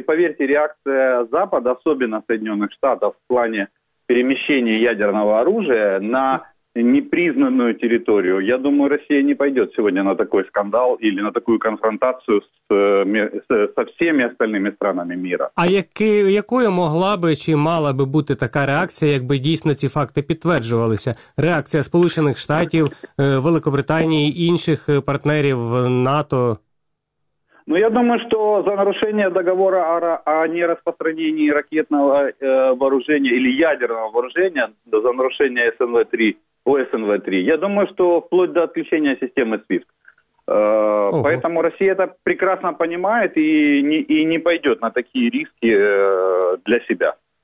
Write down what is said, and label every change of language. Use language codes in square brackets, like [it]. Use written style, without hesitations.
[ru] Поверьте, реакция Запада, особенно Соединенных Штатов, в плане перемещения ядерного оружия на непризнанную территорию, я думаю, Россия не пойдет сегодня на такой скандал или на такую конфронтацию со всеми остальными странами мира. [uk] А якою могла би чи мала би бути така реакція, якби дійсно ці факти підтверджувалися? Реакція Сполучених Штатів, Великобританії, інших партнерів НАТО? [ru] Ну, я думаю, что за нарушение договора о нераспространении ракетного вооружения или ядерного вооружения, за нарушение СНВ-3, я думаю, что вплоть до отключения системы SWIFT, Поэтому Россия это прекрасно понимает и не пойдет на такие риски для себя.